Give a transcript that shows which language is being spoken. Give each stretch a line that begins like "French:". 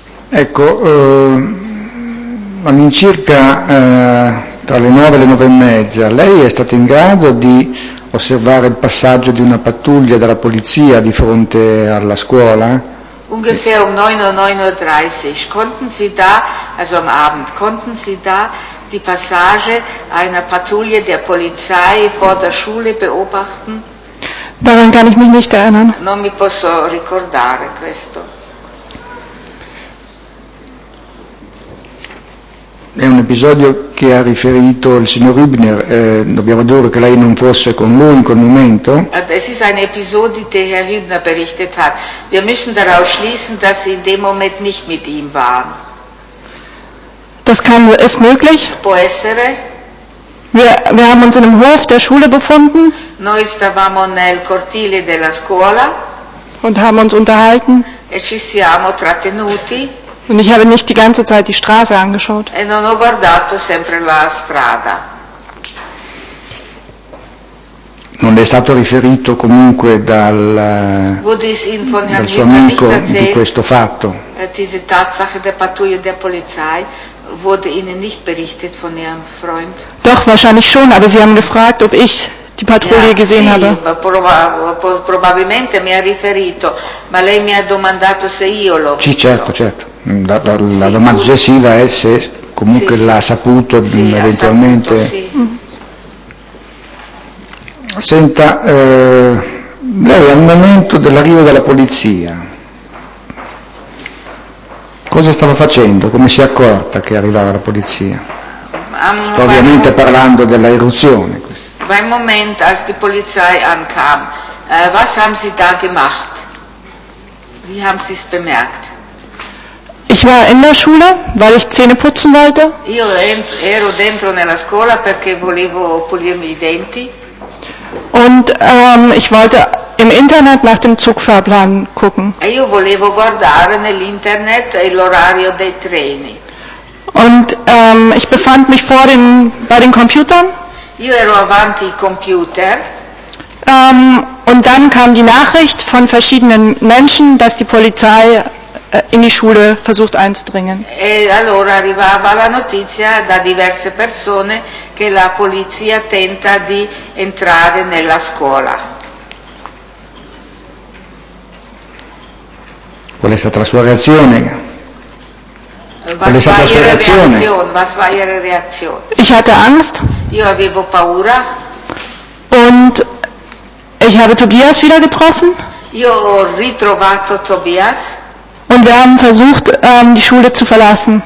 Italian: Ecco, all'incirca tra le 9 e le 9:30, lei è stata in grado di osservare il passaggio di una pattuglia della polizia di fronte alla scuola?
German: Ungefähr um 9 Uhr, 9:30 Uhr, konnten Sie da, also am Abend, konnten Sie da die Passage einer Patrouille der Polizei vor der Schule beobachten? Daran kann ich mich nicht erinnern.
Italian: Non mi posso ricordare questo. È un episodio che ha riferito il signor Hübner, dobbiamo dire che lei non fosse con lui in quel momento.
German: Es ist ein
Italian: Episodio che
German: Herr Hübner berichtet hat. Wir müssen daraus schließen, dass Sie in dem Moment nicht mit ihm waren. Das kann, ist möglich.
Italian: Può essere.
German: Wir haben uns in dem Hof der Schule befunden.
Italian: Noi stavamo nel cortile della scuola.
German: Und haben uns unterhalten.
Italian: E ci siamo trattenuti.
German: Und ich habe nicht die ganze Zeit die Straße angeschaut.
Italian: E non ho guardato sempre la strada. Non è stato riferito comunque dal suo amico di questo fatto.
German: Diese Tatsache der Patrouille der Polizei wurde Ihnen nicht berichtet von Ihrem Freund. Doch, wahrscheinlich schon, aber Sie haben gefragt, ob ich die Patrouille gesehen habe.
Italian: Probabilmente mi ha riferito, ma lei mi ha domandato se io l'ho visto. Sì, certo. La domanda successiva è se comunque l'ha saputo eventualmente. Sì. Senta, lei al momento dell'arrivo della polizia, cosa stava facendo? Come si è accorta che arrivava la polizia? Sto ovviamente parlando dell'irruzione.
German: Beim Moment, als die Polizei ankam, was haben Sie da gemacht? Wie haben Sie es bemerkt? Ich war in der Schule, weil ich Zähne putzen wollte.
Italian: Io ero dentro nella scuola perché volevo pulirmi i denti.
German: Und ich wollte im Internet nach dem Zugfahrplan gucken.
Italian: E io volevo guardare nell'internet l'orario dei treni.
German: Und ich befand mich vor den bei den Computern.
Italian: Io ero avanti i computer.
German: Und dann kam die Nachricht von verschiedenen Menschen, dass die Polizei in die Schule versucht einzudringen.
Italian: E allora arrivava la notizia da diverse persone che la polizia tenta di entrare nella scuola. Qual è stata la sua reazione? Qual è stata la sua reazione?
German: Was war ihre Reaktion? Ich hatte Angst.
Italian: Io avevo paura.
German: Und ich habe Tobias wieder getroffen.
Italian: Io ho ritrovato Tobias.
German: Und wir haben versucht, die Schule zu verlassen.